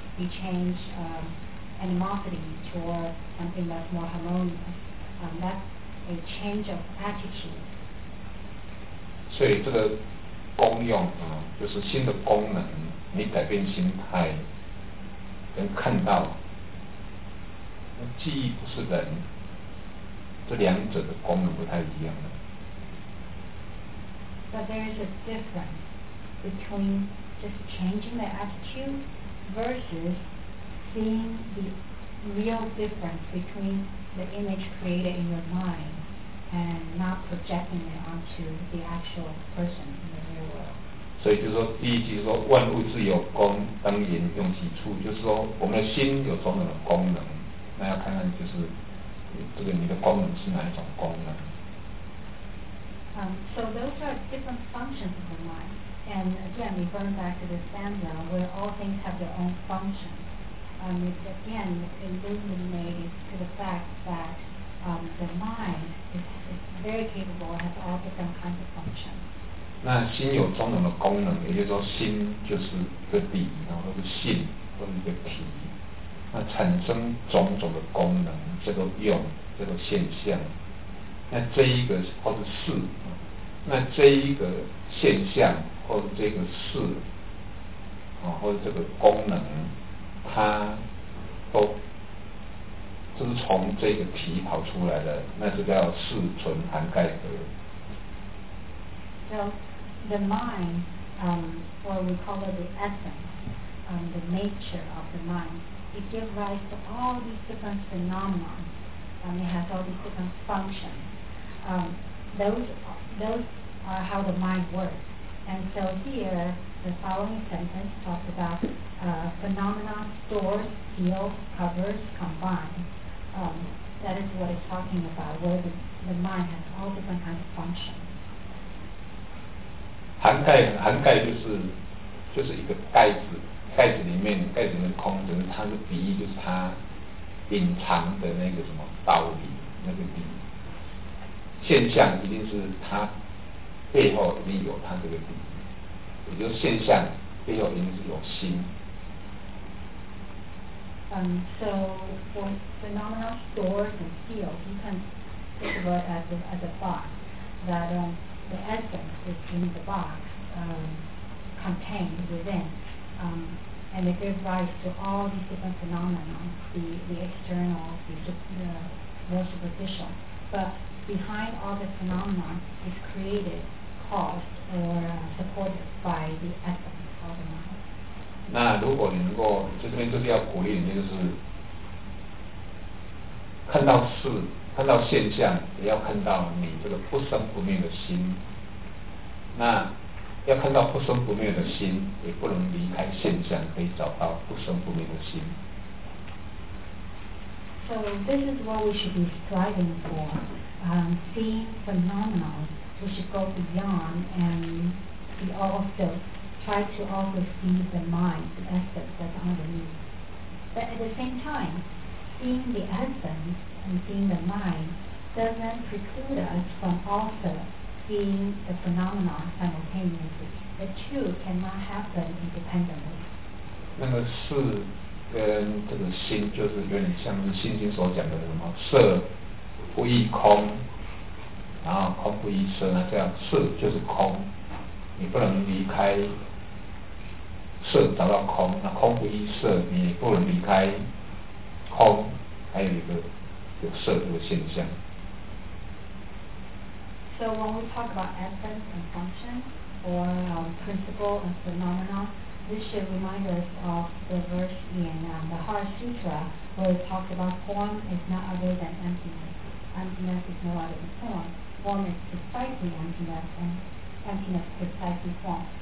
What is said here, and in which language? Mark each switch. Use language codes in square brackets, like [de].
[en] You change animosity toward something that's more harmonious. That's a change of attitude. [zh] 所以这个功用啊，就是新的功能，你改变心态，能看到记忆不是人，这两者的功能不太一样了。 [en] But there is a difference between just changing the attitude versus seeing the real difference between the image created in your mind and not projecting it onto the actual person in the real world. [zh] 所以就是说，第一句就是说，万物自有功，当引用其处，就是说，我们的心有种种的功能，那要看看就是这个你的功能是哪一种功能。 [en] So those are different functions of the mind. And again, we burn back to the stanza where all things have their own function. It's again illuminated to the fact that the mind is very capable, has all different kinds of functions. [zh] 那心有种种的功能，也就是说心就是一个理，然后是性，或者一个体，那产生种种的功能，这个用，这个现象，那这一个或者是那这一个现象或者这个事啊，或者这个功能，它都就是从这个体跑出来的，那是叫四存涵盖格。 [en] So the mind, or we call it the essence, the nature of the mind, it gives rise to all these different phenomena, it has all these different functions. Those are how the mind works. And so here, the following sentence talks about phenomena, stores, seals, covers, combined. That is what it's talking about, where the mind has all different kinds of functions. [zh] 涵盖就是一个盖子里面，盖子里面空着，它的比喻就是它隐藏的那个什么道理，那个理现象一定是它背后一定有它这个底，也就是现象背后一定是有心。 [en] So for phenomena, stores and seals, you can think of it as a box. That the essence is in the box, contained within. And it gives rise to all these different phenomena, the external, the more superficial. But behind all the phenomena is created, caused, or supported by the essence of the mind. [zh] 那如果你能够，这边就是要鼓励你，就是看到事，看到现象，也要看到你这个不生不灭的心。那要看到不生不灭的心，也不能离开现象，可以找到不生不灭的心。 [en] So this is what we should be striving for. Seeing phenomena, we should go beyond and be also try to also see the mind, the essence that's underneath. But at the same time, seeing the essence and seeing the mind doesn't preclude us from also. Seeing the phenomena simultaneously. The two cannot happen independently. [zh] 那个事跟这个心就是有点像是心经所讲的什么色不异空，然后空不异色，那这样事就是空，你不能离开事找到空，那空不异色，你也不能离开空，还有一个有色这个现象。 [en] So when we talk about essence and function, or principle and phenomena, this should remind us of the verse in the Heart Sutra, where it talks about form is not other than emptiness. Emptiness is no other than form. Form is precisely emptiness, and emptiness is precisely form.